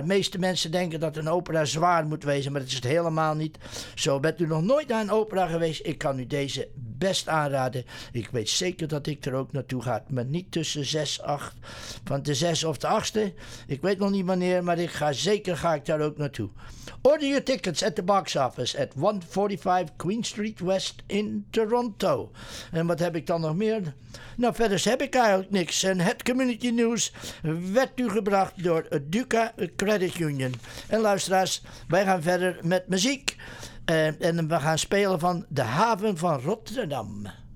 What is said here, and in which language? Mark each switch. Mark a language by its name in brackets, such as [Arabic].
[Dutch] De meeste mensen denken dat een opera zwaar moet wezen, maar dat is het helemaal niet. Zo, bent u nog nooit naar een opera geweest, ik kan u deze best aanraden. Ik weet zeker dat ik er ook naartoe ga, maar niet tussen 6-8, van de 6 of de 8e. Ik weet nog niet wanneer, maar ga ik daar ook naartoe. [English] Order your tickets at the box office at 145 Queen Street West in Toronto. [Dutch] En wat heb ik dan nog meer? Nou, verder heb ik eigenlijk niks. En het community news werd u gebracht door Duca Credit Union. En luisteraars, wij gaan verder met muziek. En we gaan spelen van de haven van Rotterdam.